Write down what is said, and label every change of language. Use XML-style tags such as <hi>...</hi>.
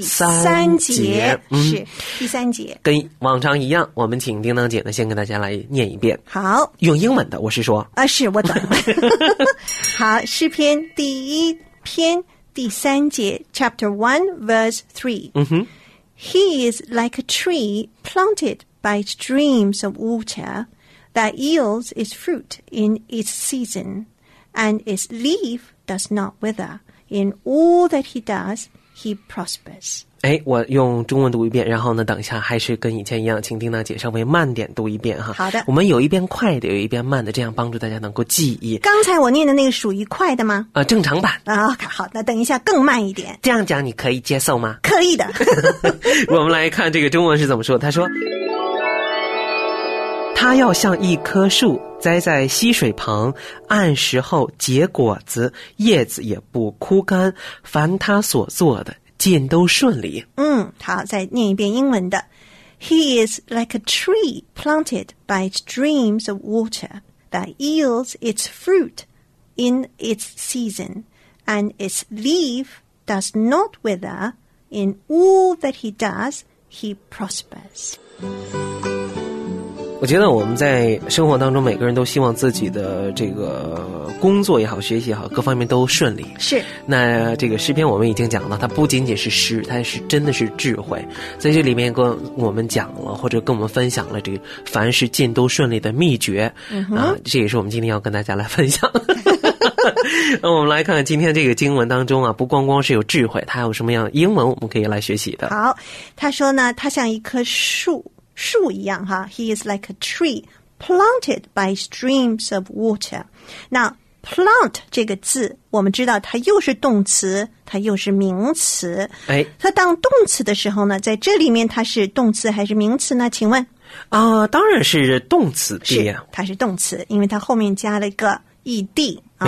<zh>三节，是，第三节。跟往常一样，我们请叮当姐呢先跟大家来念一遍。好，用英文的，我是说啊，是我懂。好，诗篇第一篇第三节 ，</zh> <en>Chapter One, Verse Three。嗯哼，He is like a tree planted by streams of water that yields its fruit in its season, and its leaf does not wither. In all that he does. He prospers.</en> <zh>哎，我用中文读一遍，然后呢，等一下还是跟以前一样，请叮当姐稍微慢点读一遍哈。好的，我们有一边快的，有一边慢的，这样帮助大家能够记忆。刚才我念的那个属于快的吗？正常版。啊、okay, ，好，那等一下更慢一点。这样讲你可以接受吗？可以的。我们来看这个中文是怎么说。他说，他要像一棵树，栽在溪水旁，按时后结果子，叶子也不枯干，凡他所做的尽都顺利。嗯，好，再念一遍英文的。</zh> <en>He is like a tree planted by streams of water that yields its fruit in its season, and its leaf does not wither. In all that he does, he prospers.</en> <zh>我觉得我们在生活当中每个人都希望自己的这个工作也好，学习也好，各方面都顺利。是，那这个诗篇我们已经讲了，它不仅仅是诗，它是真的是智慧，在这里面跟我们讲了，或者跟我们分享了这个凡事尽都顺利的秘诀。嗯，啊，这也是我们今天要跟大家来分享。那我们来看看今天这个经文当中啊，不光光是有智慧，它有什么样英文我们可以来学习的。好，他说呢，他像一棵树一样哈 ，</zh> <en>He is like a tree planted by streams of water.</en> <zh>那 plant 这个字，我们知道它又是动词，它又是名词。哎，它当动词的时候呢，在这里面它是动词还是名词呢？请问？当然是动词。是，它是动词，因为它后面加了一个 ed、啊。</zh>